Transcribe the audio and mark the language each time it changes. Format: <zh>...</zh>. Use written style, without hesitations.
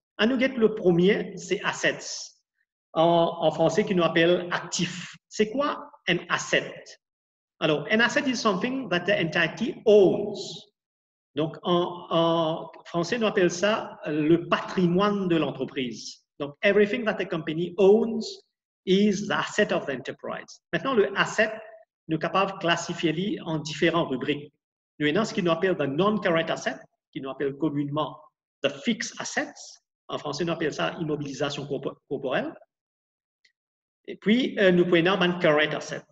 <fr>À nous guetter le premier, c'est assets. En français, qui nous appelle actif. C'est quoi un asset?</fr> <en>Alors, an asset is something that the entity owns.</en> <fr>Donc, en français, on appelle ça le patrimoine de l'entreprise.</fr> <en>Donc, everything that the company owns is the asset of the enterprise.</en> <fr>Maintenant, le asset, nous sommes capables de classifier les en différentes rubriques. Nous avons ce qu'ils appellent</fr> <en>the non-current asset,</en> <fr>qu'ils appellent communément</fr> <en>the fixed assets.</en> <fr>En français, nous appelons ça immobilisation corporelle. Et puis, nous pouvons avoir une current asset.</fr>